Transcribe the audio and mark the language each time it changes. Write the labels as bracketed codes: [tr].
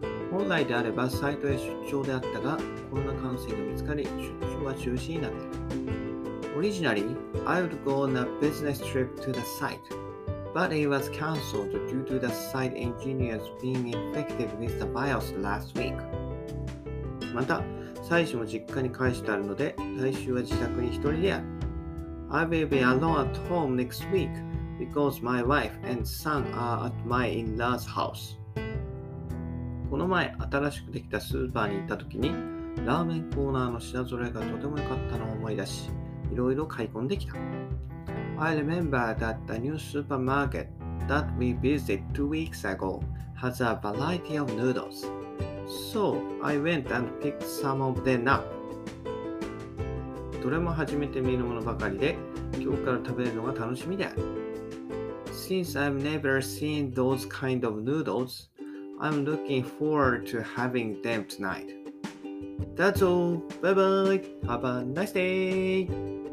[ja] 本来であればサイトへ出張であったが、コロナ感染が見つかり、出張は中止になった。 [en] Originally, I would go on a business trip to the site, but it was cancelled due to the site engineers being infected with the virus last week. [ja] また、妻子も実家に帰してあるので、来週は自宅に一人である。 [en] I will be alone at home next week because my wife and son are at my in-laws house. [ja] この前、新しくできたスーパーに行った時に、ラーメンコーナーの品揃えがとても良かったのを思い出し、いろいろ買い込んできた。 [en] I remember that the new supermarket that we visited 2 weeks ago has a variety of noodles. So, I went and picked some of them up. [ja] どれも初めて見るものばかりで、今日から食べるのが楽しみである。 [en] Since I've never seen those kind of noodles, I'm looking forward to having them tonight. That's all. Bye-bye. Have a nice day.